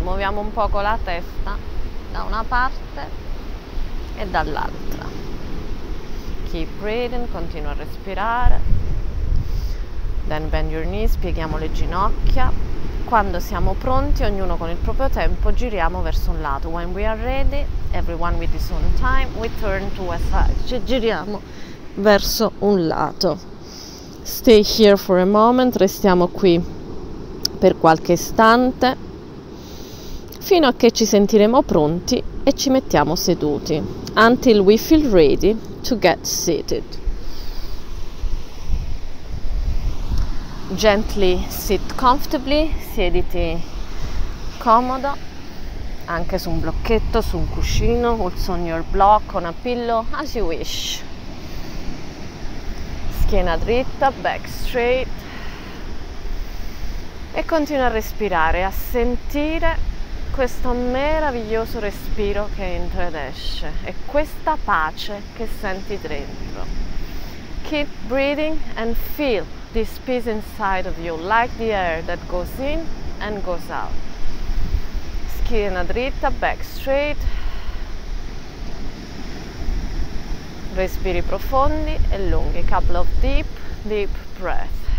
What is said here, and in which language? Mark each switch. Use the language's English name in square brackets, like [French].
[Italian] Muoviamo un poco la testa da una parte e dall'altra. [English] Keep breathing, [Italian] continua a respirare. [English] Then bend your knees, [Italian] pieghiamo le ginocchia. Quando siamo pronti, ognuno con il proprio tempo, giriamo verso un lato. [English] When we are ready, everyone with his own time, we turn to a side. [Italian] Ci giriamo verso un lato. [English] Stay here for a moment, [Italian] restiamo qui per qualche istante. fino a che ci sentiremo pronti e ci mettiamo seduti. [English] Until we feel ready to get seated. Gently sit comfortably, [Italian] siediti comodo, anche su un blocchetto, su un cuscino, [English] also on your block, on a pillow, as you wish. [Italian] Schiena dritta, [English] back straight. [Italian] E continua a respirare, a sentire questo meraviglioso respiro che entra ed esce e questa pace che senti dentro. [English] Keep breathing and feel this peace inside of you, like the air that goes in and goes out. [Italian] Schiena dritta, [English] back straight. [Italian] Respiri profondi e lunghi, [English] couple of deep, deep breaths.